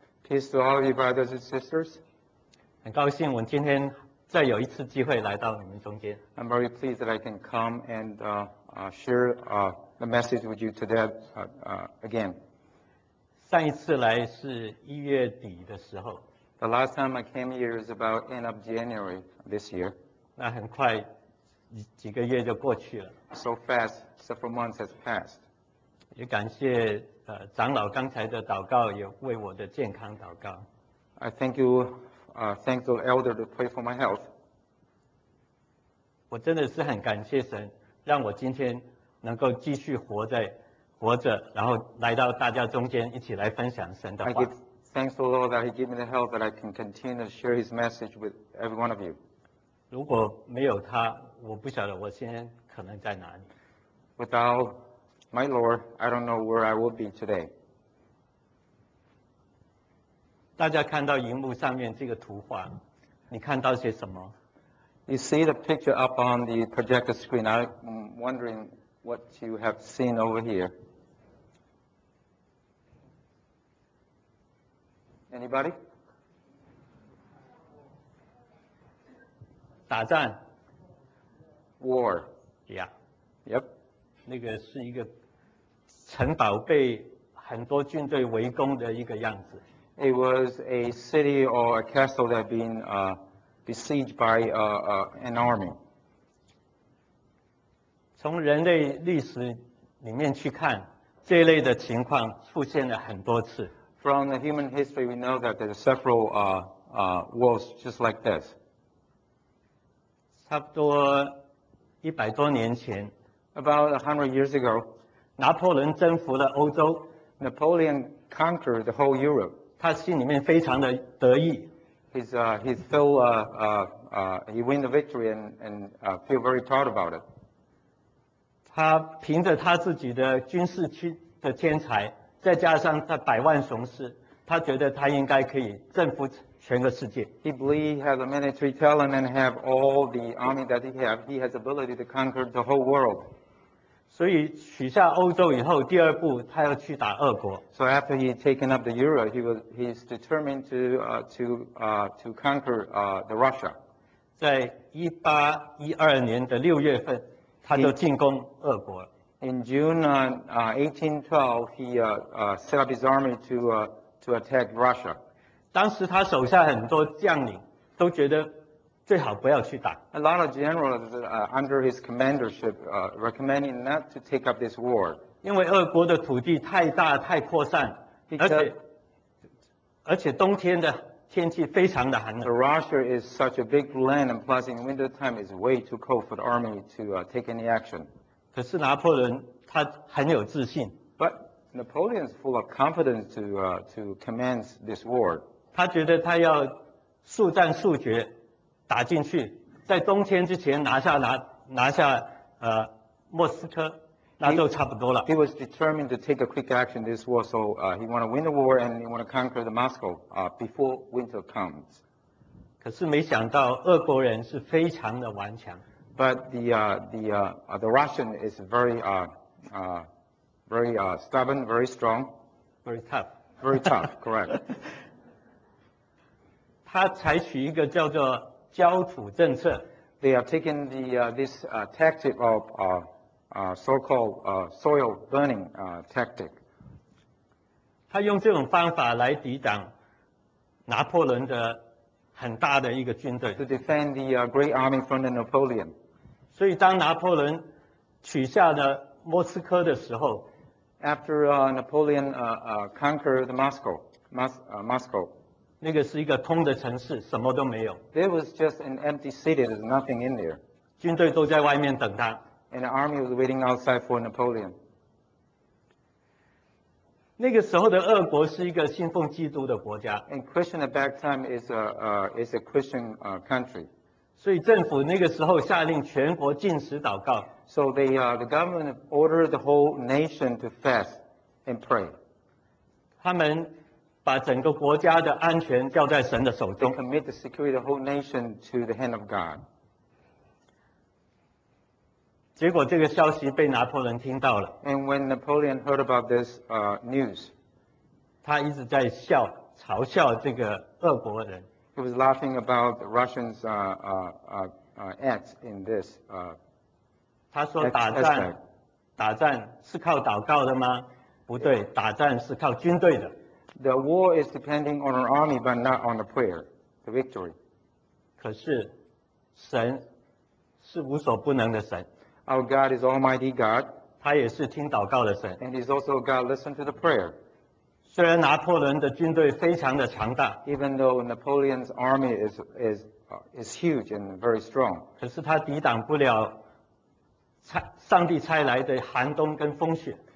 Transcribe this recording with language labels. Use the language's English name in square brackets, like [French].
[English] Peace to all of you brothers and sisters. [Chinese] 很高兴我今天再有一次机会来到你们中间。 [English] I'm very pleased that I can come and share the message with you today again. [Chinese] 上一次来是一月底的时候。 [English] The last time I came here is about end of January this year. [Chinese] 那很快几个月就过去了。 [English] So fast, several months has passed. [Chinese] 也感谢长老刚才的祷告，也为我的健康祷告。 [English] I thank you, thank the elder to pray for my health. [Chinese] 我真的是很感谢神，让我今天能够继续活着，然后来到大家中间一起来分享神的话。 [English] I give thanks to the Lord that He gave me the health that I can continue to share His message with every one of you. [Chinese] 如果没有他，我不晓得我现在可能在哪里。 [English] Without My Lord, I don't know where I will be today. [Chinese] 大家看到荧幕上面这个图画，你看到些什么？ [English] You see the picture up on the projector screen. I'm wondering what you have seen over here. Anybody? [Chinese] 打战。 [English] War. Yeah. Yep. [Chinese] 那个是一个城堡被很多军队围攻的一个样子。 [English] It was a city or a castle that had been besieged by an army. [Chinese] 从人类历史里面去看，这类的情况出现了很多次。 [English] From the human history, we know that there are several wars just like this. [Chinese] 差不多100多年前。 [English] About 100 years ago. [Chinese] 拿破仑征服了欧洲。 [English] Napoleon conquered the whole Europe. [Chinese] 他心里面非常的得意。 [English] He win the victory and feel very proud about it. [Chinese] 他凭着他自己的军事的天才，再加上他百万雄师，他觉得他应该可以征服全个世界。 [English] He believed he had the military talent and have all the army that he had. He has ability to conquer the whole world. [Chinese] 所以取下欧洲以后，第二步他要去打俄国。 [English] So after he had taken up the Euro, he's determined to conquer Russia. [Chinese] 在1812年的6月份，他就进攻俄国。 [English] In June 1812, he set up his army to attack Russia. [Chinese] 当时他手下很多将领都觉得最好不要去打。 [English] A lot of generals under his commandership recommending not to take up this war. [Chinese] 因为俄国的土地太大太扩散，而且冬天的天气非常的寒冷。 [English] So Russia is such a big land, and plus in winter time is way too cold for the army to take any action. [Chinese] 可是拿破仑他很有自信。 [English] But Napoleon is full of confidence to command this war. [Chinese] 他觉得他要速战速决。打进去，在冬天之前拿下莫斯科，那就差不多了。 [English] He was determined to take a quick action this war, so he want to win the war and he want to conquer the Moscow before winter comes. [Chinese] 可是没想到俄国人是非常的顽强。 [English] But the Russian is very stubborn, very strong, very tough, very tough, correct. [Chinese] 他采取一个叫做焦土政策。 [English] They are taking this tactic of so-called soil burning tactic. [Chinese] 他用这种方法来抵挡拿破仑的很大的一个军队。 [English] To defend the great army from the Napoleon. [Chinese] 所以当拿破仑取下了莫斯科的时候 [English] ，After Napoleon conquered Moscow. [Chinese] 那个是一个空的城市，什么都没有。 [English] There was just an empty city. There's nothing in there. [Chinese] 军队都在外面等他。 [English] And the army was waiting outside for Napoleon. [Chinese] 那个时候的俄国是一个信奉基督的国家。 [English] And Christian at that time is a Christian country. [Chinese] 所以政府那个时候下令全国禁食祷告。 [English] So the government ordered the whole nation to fast and pray. [Chinese] 他们把整个国家的安全交在神的手中。 [English] They commit the security of the whole nation to the hand of God. [Chinese] 结果这个消息被拿破仑听到了。 [English] And when Napoleon heard about this news, [Chinese] 他一直在笑，嘲笑这个俄国人。 [English] He was laughing about the Russians' acts in this. [Chinese] 他说打战，打战是靠祷告的吗？不对，打战是靠军队的。 [English] The war is depending on an army, but not on the prayer, the victory. [Chinese] 可是，神是无所不能的神。 [English] Our God is Almighty God. [Chinese] 他也是听祷告的神。 [English] And He's also God, listen to the prayer. [Chinese] 虽然拿破仑的军队非常的强大。 [English] Even though Napoleon's army is huge and very strong. [Chinese] 可是他抵挡不了上帝差来的寒冬跟风雪。